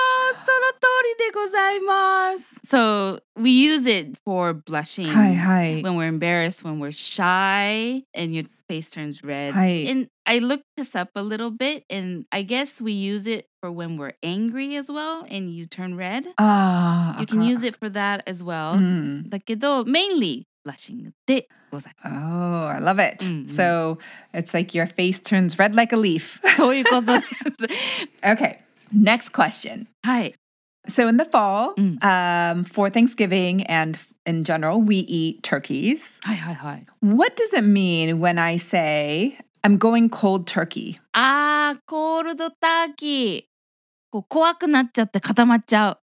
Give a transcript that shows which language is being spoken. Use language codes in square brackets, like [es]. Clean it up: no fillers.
[ja] その通りでございます。 [en] So we use it for blushing. [ja] はいはい。 [en] When we're embarrassed, when we're shy, and your face turns red. [ja] はい。 [en] And I looked this up a little bit, and I guess we use it for when we're angry as well, and you turn red. [ja] ああ。 [en] You can use it for that as well. [ja] うん。だけど、 [en] mainly blushing [ja] でございます。 [en] Oh, I love it. Mm-hmm. So it's like your face turns red like a leaf. [ja] そういうことです。 [en] Okay. Next question. [ja] Hi. [en] So in the fall, for Thanksgiving and in general, we eat turkeys. [ja] Hi, hi, hi. [en] What does it mean when I say I'm going cold turkey? Ah, cold turkey. [ja] こう怖くなっちゃって固まっちゃう。